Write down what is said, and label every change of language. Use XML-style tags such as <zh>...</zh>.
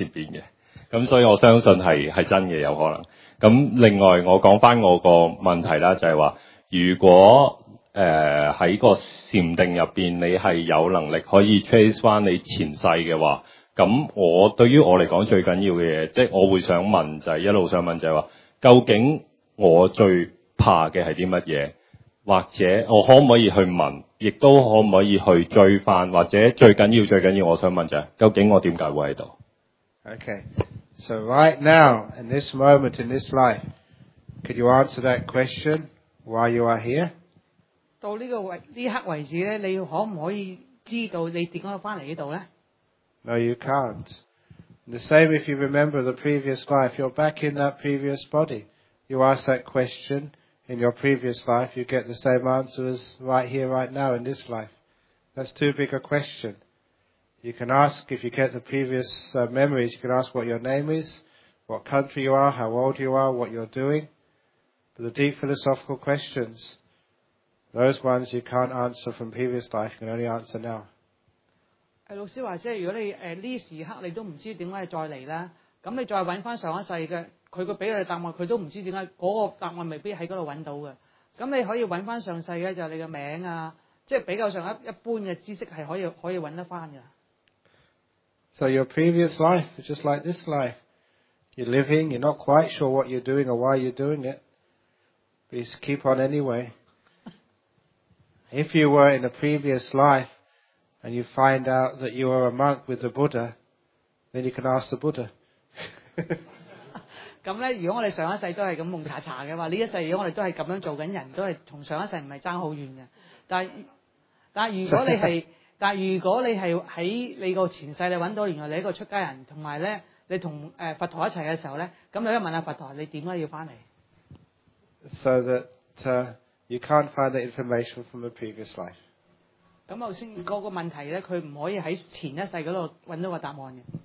<yue>So, 咁另外我講返我個問題啦，就係話，如果喺個禪定入面，你係有能力可以trace翻你前世嘅話，咁我對於我嚟講最緊要嘅嘢，即係我會想問就係、是、一路想問就係話，究竟我最怕嘅係啲乜嘢？或者我可唔可以去問，亦都可唔可以去追翻？或者最緊要最緊要，我想問就係、是、究竟我點解會喺度</yue> <en>？Okay, so right now in this moment in this life, could you answer that question why you are here？</en> <yue>到呢個呢刻為止咧，你可唔可以知道你點解翻嚟呢度咧？</yue> <en>No, you can't. The same if you remember the previous life, you're back in that previous body. You ask that question in your previous life, you get the same answer as right here, right now in this life. That's too big a question. You can ask, if you get the previous memories, you can ask what your name is, what country you are, how old you are, what you're doing. But the deep philosophical questions, those ones you can't answer from previous life, you can only answer now.</en> <yue>老師話，即係如果你呢時刻你都唔知點解你再嚟啦，咁你再揾翻上一世嘅，佢個俾你答案，佢都唔知點解嗰個答案未必喺嗰度揾到嘅。咁你可以揾翻上世嘅就是、你嘅名啊，即係比較上一般嘅知識係可以揾得翻嘅。</yue> <en>So your previous life is just like this life. You're living. You're not quite sure what you're doing or why you're doing it. Please keep on anyway. If you were in a previous life. And you find out that you are a monk with the Buddha, then you can ask the Buddha.</en> <yue>咁咧，如果我哋上一世都係咁蒙查查嘅話，呢一世如果我哋都係咁樣做緊人，都係同上一世唔係爭好遠嘅。但如果你係喺你個前世，你揾到原來你一個出家人，同埋咧你同佛陀一齊嘅時候咧，咁你可以問下佛陀，你點解要翻嚟</yue> <en>？So that you can't find the information from a previous life.</en> <yue>咁頭先嗰個問題咧，佢唔可以喺前一世嗰度揾到個答案嘅。</yue>